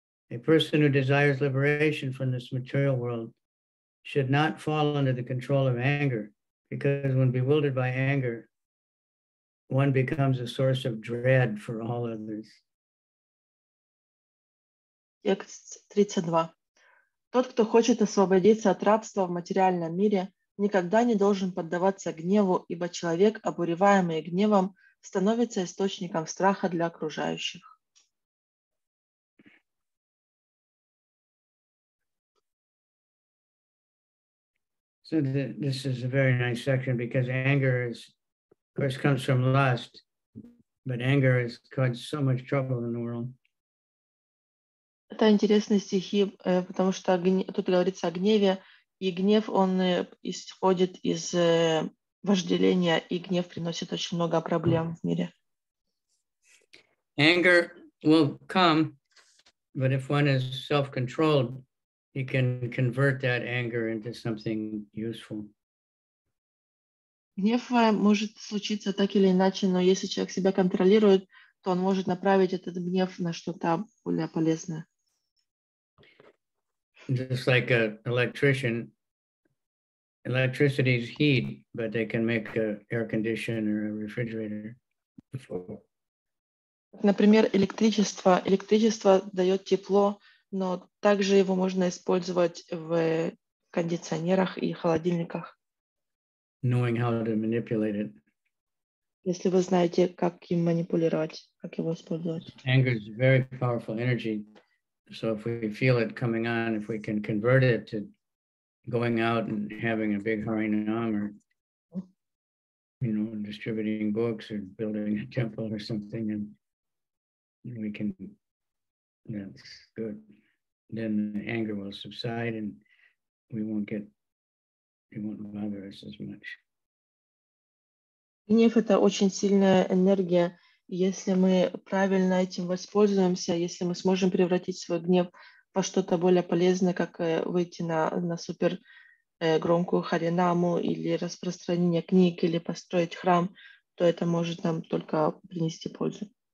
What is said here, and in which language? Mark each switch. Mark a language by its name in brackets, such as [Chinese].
[English] A person who desires liberation from this material world should not fall under the control of anger, because when bewildered by anger, one becomes a source of dread for all others. [Russian] Текст 32. Тот, кто хочет освободиться от рабства в материальном мире, никогда не должен поддаваться гневу, ибо человек, обуреваемый гневом, становится источником страха для окружающих. [English] So this is a very nice section, because anger is, of course, comes from lust, but anger has caused so much trouble in the world. [Russian] Это интересные стихи, потому что тут говорится о гневе, и гнев, он исходит из вожделения, и гнев приносит очень много проблем в мире. [English] Anger will come, but if one is self-controlled, he can convert that anger into something useful. [Russian] Гнев может случиться так или иначе, но если человек себя контролирует, то он может направить этот гнев на что-то более полезное. [English] Just like an electrician, electricity is heat, but they can make an air conditioner or a refrigerator. [Russian] Например, электричество. Электричество дает тепло, но также его можно использовать в кондиционерах и холодильниках. [English] Knowing how to manipulate it. [Russian] Если вы знаете, как им манипулировать, как его использовать. [English] Anger is a very powerful energy. So if we feel it coming on, if we can convert it to going out and having a big harinam, or, you know, distributing books or building a temple or something, and we can, that's good. Then the anger will subside and it won't bother us as much. [Russian] Гнев — это очень сильная энергия. Если мы правильно этим воспользуемся, если мы сможем превратить свой гнев во что-то более полезное, как выйти на супер громкую харинаму или распространение книг, или построить храм, то это может нам только принести пользу.